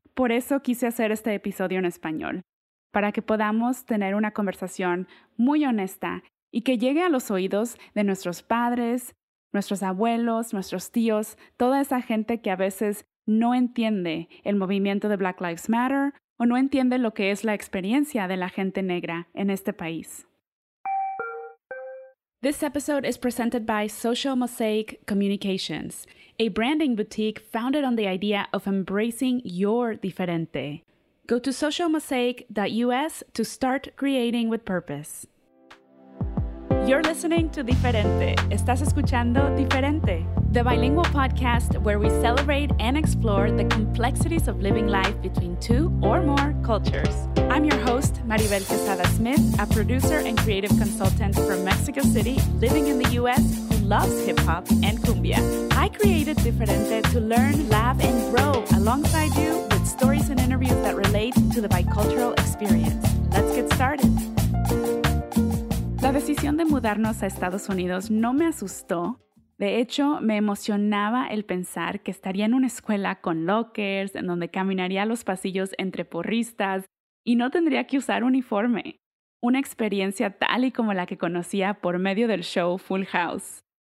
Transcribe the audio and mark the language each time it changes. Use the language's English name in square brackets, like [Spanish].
[Spanish] Por eso quise hacer este episodio en español, para que podamos tener una conversación muy honesta y que llegue a los oídos de nuestros padres, nuestros abuelos, nuestros tíos, toda esa gente que a veces no entiende el movimiento de Black Lives Matter o no entiende lo que es la experiencia de la gente negra en este país. [English] This episode is presented by Social Mosaic Communications, a branding boutique founded on the idea of embracing your diferente. Go to socialmosaic.us to start creating with purpose. You're listening to Diferente. [Spanish] Estás escuchando Diferente, [English] the bilingual podcast where we celebrate and explore the complexities of living life between two or more cultures. I'm your host, Maribel Quesada Smith, a producer and creative consultant from Mexico City, living in the U.S., who loves hip-hop and cumbia. I created Diferente to learn, laugh, and grow alongside you with stories and interviews that relate to the bicultural experience. Let's get started. [Spanish] La decisión de mudarnos a Estados Unidos no me asustó. De hecho, me emocionaba el pensar que estaría en una escuela con lockers, en donde caminaría los pasillos entre porristas y no tendría que usar uniforme. Una experiencia tal y como la que conocía por medio del show Full House.